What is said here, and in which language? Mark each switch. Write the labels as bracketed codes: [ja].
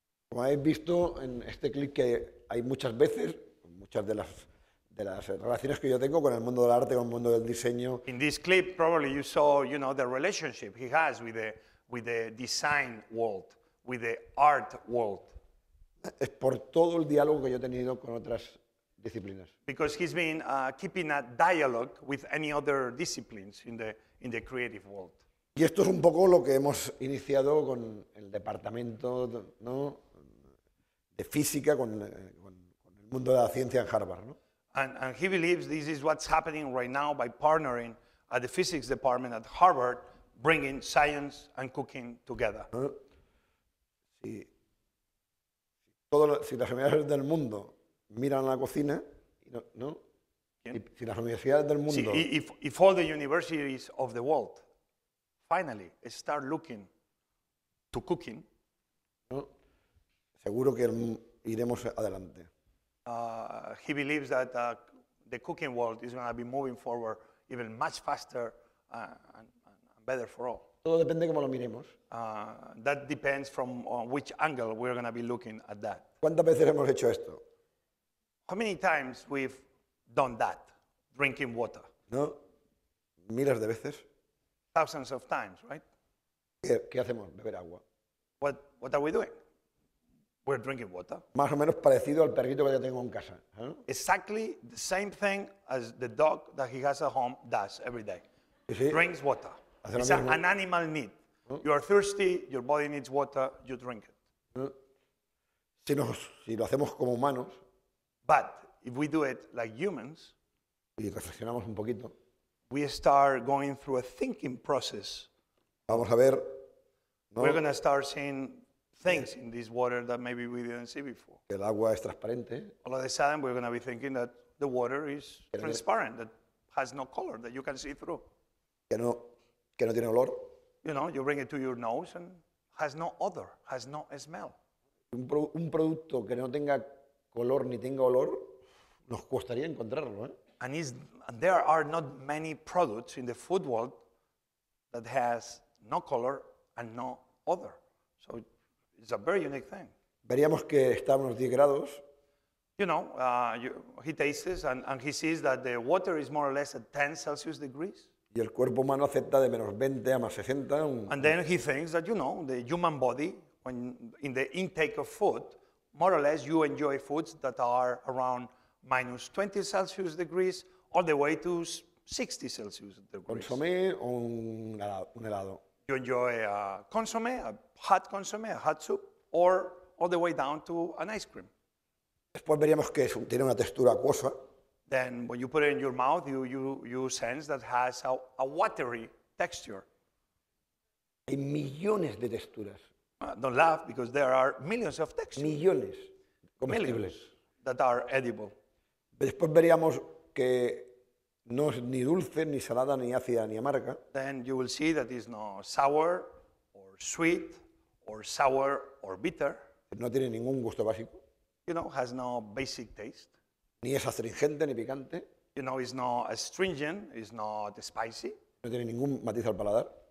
[es] Como habéis visto en este clip que hay muchas veces, muchas de las relaciones que yo tengo con el mundo del arte, con el mundo del diseño. [en] In this clip, probably you saw, you know, the relationship he has with the design world, with the art world. [es] Es por todo el diálogo que yo he tenido con otras disciplinas. [en] Because he's been keeping a dialogue with any other disciplines in the creative world. [es] Y esto es un poco lo que hemos iniciado con el departamento, ¿no?, de física, con el mundo de la ciencia en Harvard, ¿no? [en] And he believes this is what's happening right now by partnering at the physics department at Harvard, bringing science and cooking together. [es] Si las universidades del mundo miran la cocina, ¿no? Si las universidades del mundo. [en] See, if all the universities of the world finally start looking to cooking, [es] ¿no?, seguro que iremos adelante. [en] He believes that the cooking world is going to be moving forward even much faster and better for all. [es] Todo depende cómo lo miremos. [en] That depends from which angle we're going to be looking at that. [es] ¿Cuántas veces hemos hecho esto? [en] How many times we've done that, drinking water? [es] No, miles de veces. [en] Thousands of times, right? [es] ¿Qué hacemos? Beber agua. [en] What are we doing? We're drinking water. [es] Más o menos parecido al perrito que yo tengo en casa. ¿Eh? [en] Exactly the same thing as the dog that he has at home does every day. [es] ¿Sí? [en] Drinks water. It's an animal need. ¿Eh? You are thirsty, your body needs water, you drink it. [es] Si lo hacemos como humanos, [en] but if we do it like humans, [es] y reflexionamos un poquito, [en] we start going through a thinking process. [es] Vamos a ver, ¿no? [en] We're going to start seeing things in this water that maybe we didn't see before. [es] El agua es transparente. [en] All of a sudden, we're going to be thinking that the water is transparent, that has no color, that you can see through. [es] Que no tiene olor. [en] You know, you bring it to your nose and has no odor, has no smell. [es] Un producto que no tenga color ni tenga olor, nos costaría encontrarlo, ¿eh? [en] And there are not many products in the food world that has no color and no odor. So it's a very unique thing. [es] Veríamos que está a unos 10 grados. [en] You know, he tastes and he sees that the water is more or less at 10 Celsius degrees. [es] Y el cuerpo humano acepta de menos 20 a más 60. [en] And then he thinks that, you know, the human body, when in the intake of food, more or less you enjoy foods that are around minus 20 Celsius degrees all the way to 60 Celsius degrees. [es] Consomé o un helado. [en] You enjoy a consomé, a hot consomé, a hot soup, or all the way down to an ice cream. [es] Después veríamos que tiene una textura acuosa. [en] Then when you put it in your mouth, you sense that has a watery texture. [es] Hay millones de texturas. [en] Don't laugh, because there are millions of textures. [es] Millones comestibles. [en] Millions that are edible. [es] Después veríamos que no es ni dulce, ni salada, ni ácida, ni amarga. [en] Then you will see that it's not sour, or sweet, or sour, or bitter. [es] No tiene ningún gusto básico. [en] You know, has no basic taste. [es] Ni es astringente, ni picante. [en] You know, it's not astringent, it's not spicy. [es] No tiene ningún matiz al paladar.